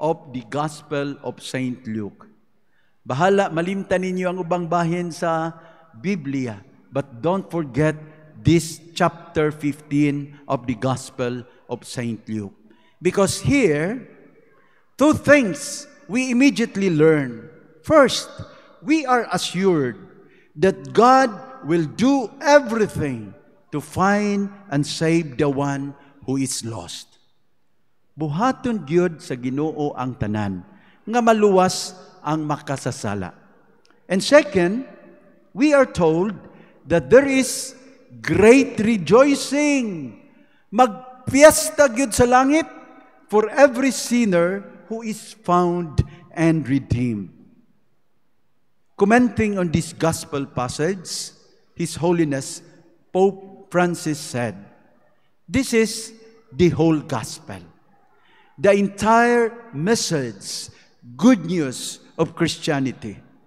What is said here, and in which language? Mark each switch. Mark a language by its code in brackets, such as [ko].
[en] of the Gospel of St. Luke. [ceb] Bahala, malimtan ninyo ang ubang bahin sa Biblia, [en] but don't forget this chapter 15 of the Gospel of St. Luke. Because here, two things we immediately learn. First, we are assured that God will do everything to find and save the one who is lost. [ceb] Buhaton gyud sa Ginoo ang tanan, nga maluwas ang makasasala. [en] And second, we are told that there is great rejoicing. [ceb] Magpiesta gyud sa langit [en] for every sinner who is found and redeemed. Commenting on this gospel passage, His Holiness Pope Francis said, "This is the whole gospel, the entire message, good news of Christianity.